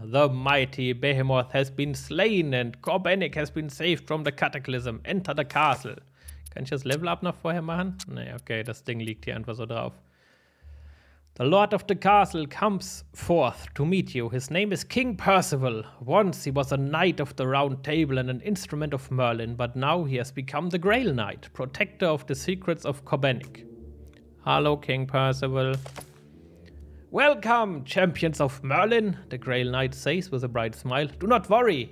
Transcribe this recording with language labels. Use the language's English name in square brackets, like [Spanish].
[English] The mighty Behemoth has been slain and Korbenik has been saved from the cataclysm. Enter the castle. [German] Kann ich das Level-Up noch vorher machen? Nee, okay, das Ding liegt hier einfach so drauf. [English] The lord of the castle comes forth to meet you. His name is King Percival. Once he was a knight of the round table and an instrument of Merlin, but now he has become the Grail Knight, protector of the secrets of Korbenik. Hallo, King Percival. Welcome, champions of Merlin, the Grail Knight says with a bright smile. Do not worry.